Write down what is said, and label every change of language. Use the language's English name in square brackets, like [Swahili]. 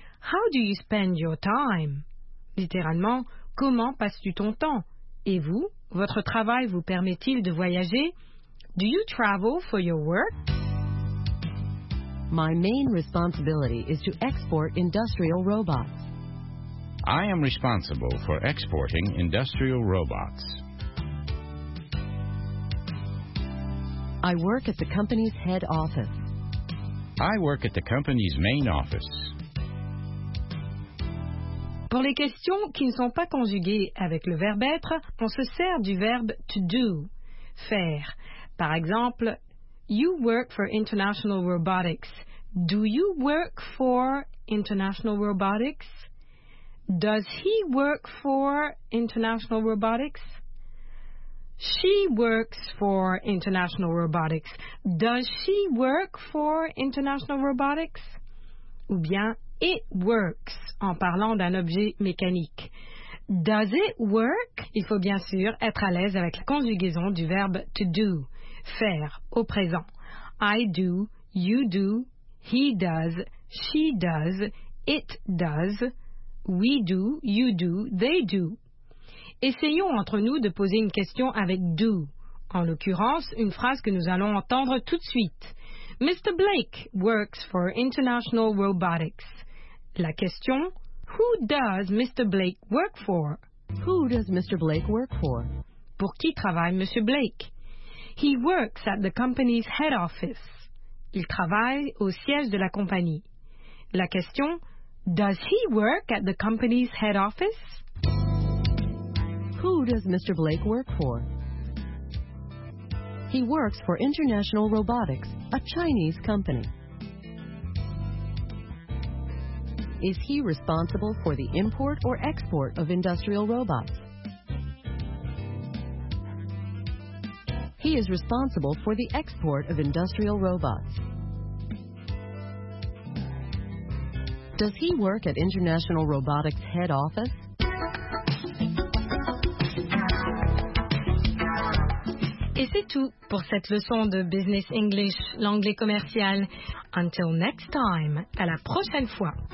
[English] How do you spend your time? [French] Littéralement, comment passes-tu ton temps? Et vous, votre travail vous permet-il de voyager? [English] Do you travel for your work? My main responsibility is to export industrial robots. I am responsible for exporting industrial robots. I work at the company's head office. I work at the company's main office. [French] Pour les questions qui ne sont pas conjuguées avec le verbe être, on se sert du verbe to do, faire. Par exemple, [English] you work for International Robotics. Do you work for International Robotics? Does he work for International Robotics? She works for International Robotics. Does she work for International Robotics? [French] Ou bien, [English] it works, [French] en parlant d'un objet mécanique. [English] Does it work? [French] Il faut bien sûr être à l'aise avec la conjugaison du verbe to do, faire, au présent. [English] I do, you do, he does, she does, it does, we do, you do, they do. [French] Essayons entre nous de poser une question avec do. En l'occurrence, une phrase que nous allons entendre tout de suite. [English] Mr. Blake works for International Robotics. [French] La question, [English] who does Mr. Blake work for? Who does Mr. Blake work for? [French] Pour qui travaille Monsieur Blake? [English] He works at the company's head office. [French] Il travaille au siège de la compagnie. La question, [English] does he work at the company's head office? Who does Mr. Blake work for? He works for International Robotics, a Chinese company. Is he responsible for the import or export of industrial robots? He is responsible for the export of industrial robots. Does he work at International Robotics head office? [French] Et c'est tout pour cette leçon de Business English, l'anglais commercial. [English] Until next time, [French] à la prochaine fois.